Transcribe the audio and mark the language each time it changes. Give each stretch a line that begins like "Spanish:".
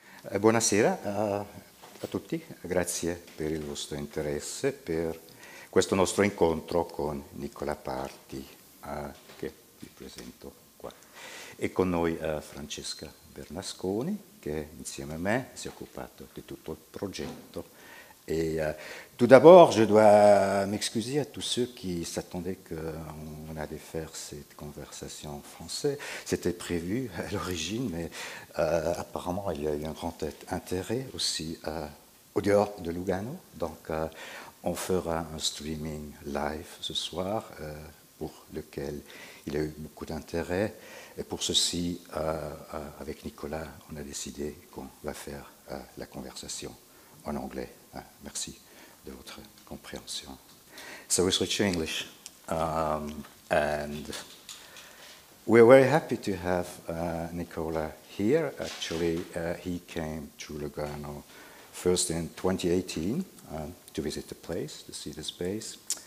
Italian: Buonasera a tutti, grazie per il vostro interesse, per questo nostro incontro con Nicolas Party, che vi presento qua. E con noi Francesca Bernasconi, che insieme a me si è occupato di tutto il progetto.
French: Et tout d'abord, je dois m'excuser à tous ceux qui s'attendaient qu'on allait faire cette conversation en français. C'était prévu à l'origine, mais apparemment, il y a eu un grand intérêt aussi au dehors de Lugano. Donc, on fera un streaming live ce soir pour lequel il y a eu beaucoup d'intérêt. Et pour ceci, avec Nicolas, on a décidé qu'on va faire la conversation en anglais. Merci de votre compréhension.
English: So we switch to English. And we're very happy to have Nicola here. Actually, he came to Lugano first in 2018 to visit the place, to see the space.